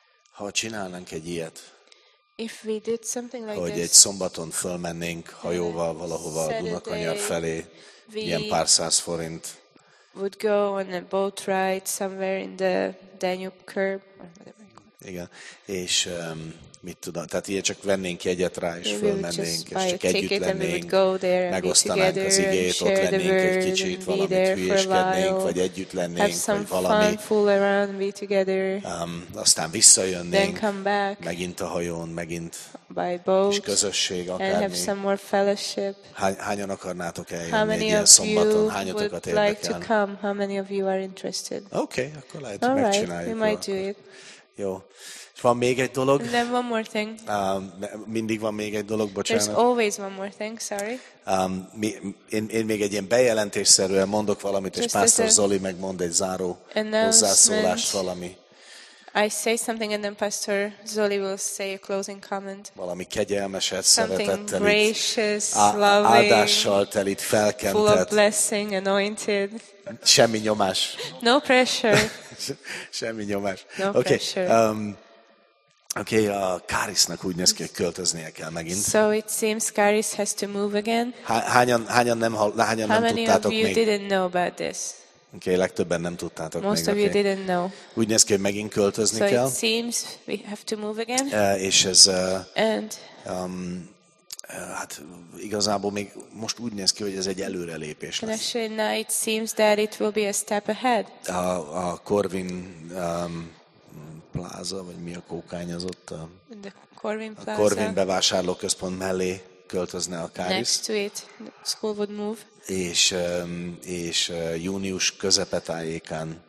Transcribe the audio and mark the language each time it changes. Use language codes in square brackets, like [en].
[hu] Ha csinálnánk egy ilyet. [en] If we did something like [hu] hogy egy szombaton fölmennénk hajóval valahova a Dunakanyar felé, ilyen pár száz forint. [en] Would go on a boat ride somewhere in the Danube curve. [hu] Igen, és mit tudom, tehát ilyen csak vennénk jegyet rá, és fölmennénk, és csak együtt lennénk, megosztanánk az igét, ott lennénk egy kicsit, valamit hülyéskednénk, vagy együtt lennénk, vagy valami. Aztán visszajönnénk, megint a hajón, megint kis közösség, akármi. Hányan akarnátok eljönni egy ilyen szombaton? Hányatokat érdekel? Oké, akkor lehet, hogy megcsináljuk. Jó. És van még egy dolog. [en] And then one more thing. [hu] Mindig van még egy dolog, bocsánat. [en] There's always one more thing, sorry. [hu] Én még egy ilyen bejelentésszerűen mondok valamit, just és Pastor Zoli megmond egy záró hozzászólást valami. [en] I say something and then Pastor Zoli will say a closing comment. [hu] Valami kegyelmeset, szeretettel, áldással telít, felkentett. [en] Full of blessing, anointed. [hu] Semmi nyomás. [en] No pressure. [hu] Semmi nyomás. [en] No pressure. [hu] Okay, a Karisnak úgy néz ki, hogy költöznie kell megint. [en] So it seems Karis has to move again. [hu] Hányan nem tudtátok még? [en] How many of you didn't know about this? [hu] Okay, legtöbben nem tudtátok most még. [en] Most of you didn't know. [hu] Úgy néz ki, hogy megint költözni [en] so [hu] kell. [en] So it seems we have to move again. [hu] És ez... [en] And... [hu] Hát igazából még most úgy néz ki, hogy ez egy előrelépés lesz. [en] It seems that it will be a step ahead. [hu] A Corvin pláza, vagy mi a kókány az ott? [en] The Corvin plaza. [hu] A Corvin bevásárlóközpont mellé költözne a Karis. [en] Next to it, the school would move. [hu] És június közepe tájékán.